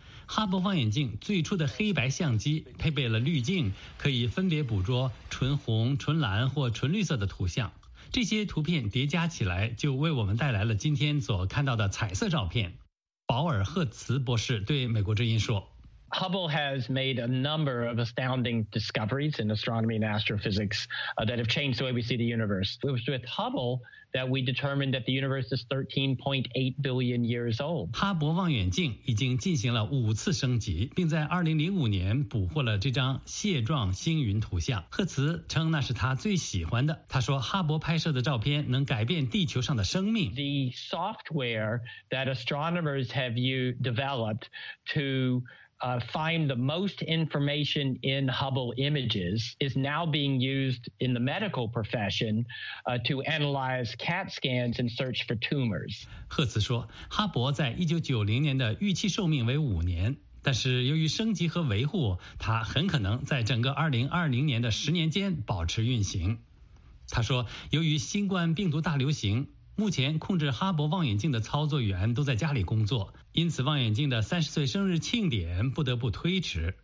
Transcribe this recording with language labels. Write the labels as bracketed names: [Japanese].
[Chinese] 哈勃望远镜最初的黑白相机配备了滤镜，可以分别捕捉纯红、纯蓝或纯绿色的图像。这些图片叠加起来就为我们带来了今天所看到的彩色照片。保尔·赫茨博士对美国之音说， [English] Hubble has made a number of astounding discoveries in astronomy and astrophysics that have changed the way we see the universe. It was with Hubble that we determined that the universe is 13.8 billion years old. [Chinese] 哈勃望远镜已经进行了五次升级，并在2005年捕获了这张蟹状星云图像。赫茨称那是他最喜欢的。他说哈勃拍摄的照片能改变地球上的生命。 [English] The software that astronomers have you developed to find the most information in Hubble images is now being used in the medical profession to analyze CAT scans and search for tumors. [Chinese] 赫茨说，哈勃在1990年的预期寿命为五年，但是由于升级和维护，它很可能在整个2020年的十年间保持运行。他说，由于新冠病毒大流行，目前控制哈勃望远镜的操作员都在家里工作，因此望远镜的30岁生日庆典不得不推迟。